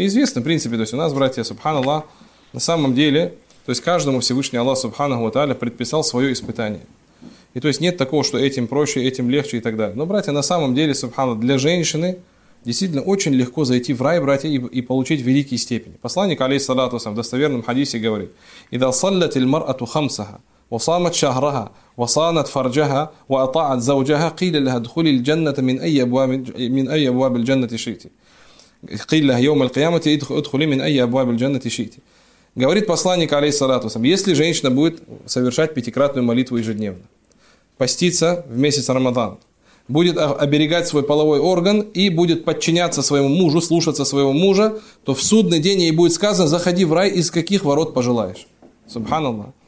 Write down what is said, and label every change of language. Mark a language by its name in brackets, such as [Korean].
[Russian] И известно, в принципе, то есть, у нас, братья, субханаллах, на самом деле, то есть, каждому Всевышний Аллах, субханаху ва тааля, предписал свое испытание. И то есть, нет такого, что этим проще, этим легче и так далее. Но, братья, на самом деле, субханаллах, для женщины действительно очень легко зайти в рай, братья, и получить великие степени. Посланник, алейхиссалату ассалям, в достоверном хадисе говорит: [Arabic] «Ида саллят иль мар'ату хамсаха». وصامت شهرها وصانت فرجها وأطاعت زوجها قيل لها ادخلي الجنة من أي أبواب الجنة شئتي قيل لها يوم القيامة ادخلي من أي أبواب الجنة شئتي. [Russian] Говорит посланник, алейхиссалату ассалям, если женщина будет совершать пятикратную молитву ежедневно, поститься в месяц Рамадан, будет оберегать свой половой орган и будет подчиняться своему мужу, слушаться своего мужа, то в судный день ей будет сказано: заходи в рай из каких ворот пожелаешь. Субханаллах.